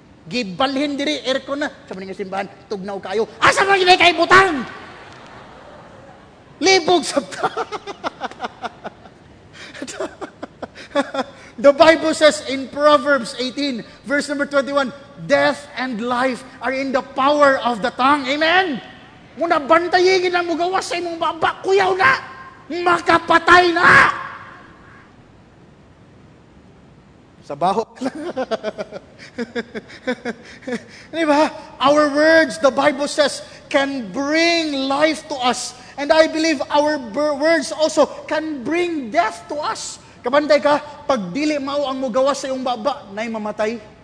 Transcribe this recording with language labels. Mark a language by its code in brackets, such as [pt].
[ceb] Gibalhin diri aircon na sa mga simbahan, tugnaw kayo. Asa man gyud kay butang? Libog sa [en] The Bible says in Proverbs 18, verse number 21, death and life are in the power of the tongue. [ceb] Amen. Muna bantayin gyud mo gawas sa imong baba, kuyaw na. Makapatay na. Sa baho. Diba? [en] Our words, the Bible says, can bring life to us. And I believe our words also can bring death to us. [ceb] Kabantay ka, pag dili mao ang mugawas sa iyong baba, na'y mamatay.